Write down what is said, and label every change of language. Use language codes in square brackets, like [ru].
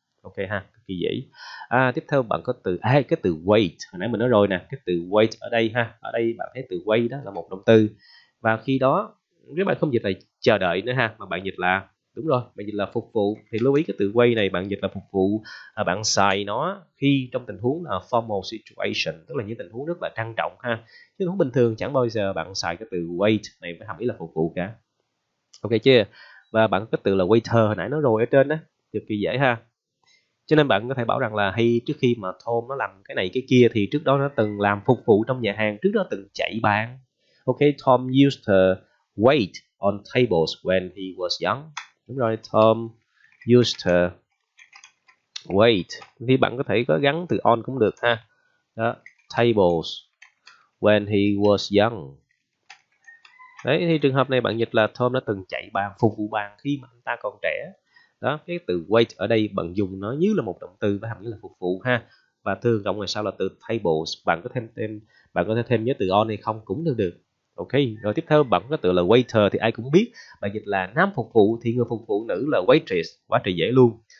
[vi] Ok ha, cực kỳ dễ. Tiếp theo bạn có từ cái từ wait, hồi nãy mình nói rồi nè, cái từ wait ở đây ha, ở đây bạn thấy từ wait đó là một động từ, và khi đó nếu bạn không dịch là chờ đợi nữa ha, mà bạn dịch là, đúng rồi, bạn dịch là phục vụ, thì lưu ý cái từ wait này bạn dịch là phục vụ, bạn xài nó khi trong tình huống là [en] formal situation, [vi] tức là những tình huống rất là trang trọng ha, chứ không bình thường chẳng bao giờ bạn xài cái từ wait này với hàm ý là phục vụ cả. Ok chưa, và bạn có cái từ là waiter hồi nãy nó rồi ở trên đó, cực kỳ dễ ha. Cho nên bạn có thể bảo rằng là hay trước khi mà Tom nó làm cái này cái kia thì trước đó nó từng làm phục vụ trong nhà hàng, trước đó nó từng chạy bàn. [en] Ok, Tom used to wait on tables when he was young. [vi] Đúng rồi, [en] Tom used to Wait. [vi] Thì bạn có thể có gắn từ on cũng được ha. Đó. [en] Tables when he was young. [vi] Đấy, thì trường hợp này bạn dịch là Tom đã từng chạy bàn, phục vụ bàn khi mà anh ta còn trẻ. Đó, cái từ wait ở đây bạn dùng nó như là một động từ và hàm nghĩa là phục vụ ha. Và thường cộng ngoài sau là từ tables, bạn có thêm nhớ từ on hay không cũng được. Ok, rồi tiếp theo bạn có từ là waiter thì ai cũng biết. Bạn dịch là nam phục vụ thì người phục vụ nữ là waitress, quá trời dễ luôn.